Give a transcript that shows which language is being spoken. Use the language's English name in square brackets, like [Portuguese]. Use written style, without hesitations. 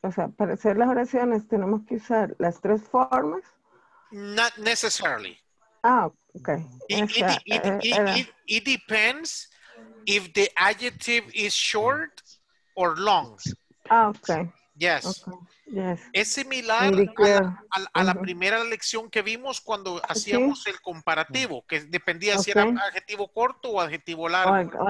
[Spanish] O sea, para hacer las oraciones tenemos que usar las tres formas. [English] Not necessarily. Ah, okay. It depends if the adjective is short or long. Ah, okay. Yes. Okay. Yes. [Spanish] Es similar a la primera lección que vimos cuando hacíamos el comparativo, que dependía si era adjetivo corto o adjetivo largo.